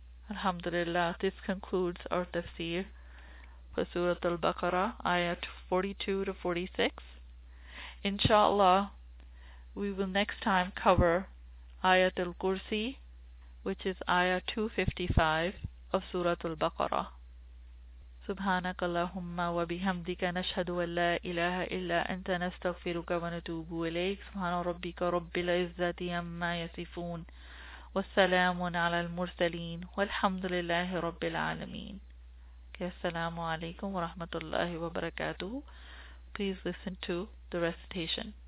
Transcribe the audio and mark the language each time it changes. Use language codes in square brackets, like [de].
[en] Alhamdulillah, this concludes our tafsir for Surah Al-Baqarah, ayat 42-46. Inshallah, we will next time cover ayat Al-Kursi, which is ayat 255 of Surah Al-Baqarah. [ar] سبحانك اللهم وبحمدك نشهد أن لا إله إلا أنت نستغفرك ونتوب إليك سبحان ربك رب العزة عما يصفون والسلام على المرسلين والحمد لله رب العالمين السلام عليكم ورحمة الله وبركاته. [en] Please listen to the recitation.